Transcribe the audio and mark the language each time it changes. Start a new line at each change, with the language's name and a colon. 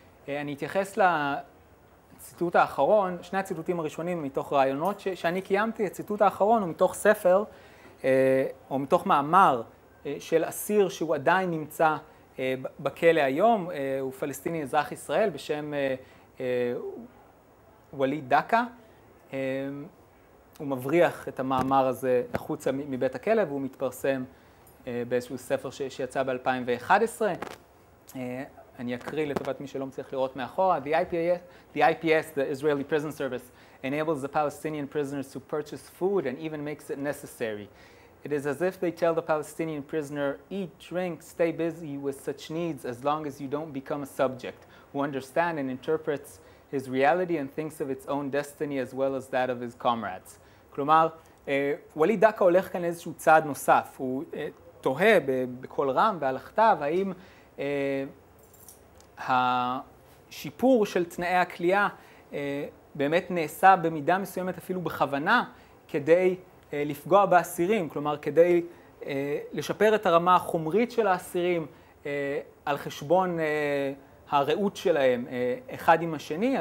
Hebrew: אני אתייחס לציטוט האחרון, שני הציטוטים הראשונים מתוך רעיונות שאני קיימתי, הציטוט האחרון הוא מתוך ספר, או מתוך מאמר של אסיר שהוא עדיין נמצא בכלא היום, הוא פלסטיני אזרח ישראל בשם ווליד דקה, הוא מבריח את המאמר הזה החוצה מבית הכלא, והוא מתפרסם באיזשהו ספר שיצא ב-2011. אני אקריא לטובת מי שלא מצליח לראות מאחורה.
English: The IPS, the Israeli Prison Service, enables the Palestinian prisoners to purchase food and even makes it necessary. It is as if they tell the Palestinian prisoner, eat, drink, stay busy with such needs as long as you don't become a subject who understands and interprets his reality and thinks of its own destiny as well as that of his comrades.
Hebrew: כלומר, ווליד דקה הולך כאן איזשהו צעד נוסף. הוא תוהה בכל רם והלכתיו, האם השיפור של תנאי הכלייה באמת נעשה במידה מסוימת אפילו בכוונה כדי לפגוע באסירים, כלומר, כדי לשפר את הרמה החומרית של האסירים על חשבון הראות שלהם אחד עם השני.